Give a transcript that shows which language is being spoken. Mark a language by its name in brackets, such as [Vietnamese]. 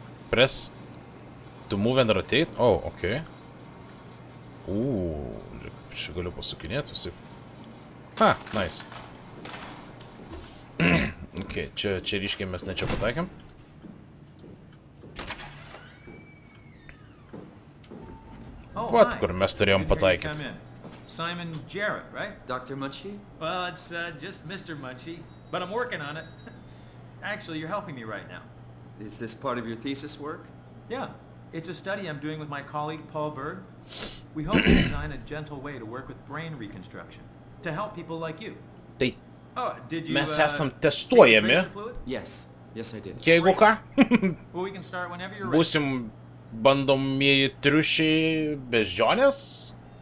[English] Press to move and rotate. O, oh, ok. [Lithuanian] Kaip čia galiu pasukinėti visi. Ha, nice. Ok, čia ryškiai mes ne čia pataikėm. What, kur mes turėjom pataikyti? [English] Simon Jarrett, right? Dr. Munchie? Well, it's just Mr. Munchie, but I'm working on it. Actually, you're helping me right now. Is this part of your thesis work? Yeah, it's a study I'm doing with my colleague Paul Berg. We hope to design a gentle way to work with brain reconstruction, to help people like you. [Lithuanian] Tai [English] oh, did you, [Lithuanian] mes esam testuojami. [English] Yes, yes I did. [Lithuanian] Jeigu ką. [English] Well, we can start whenever you're ready. [Lithuanian] Būsim bandomieji triušiai beždžionės?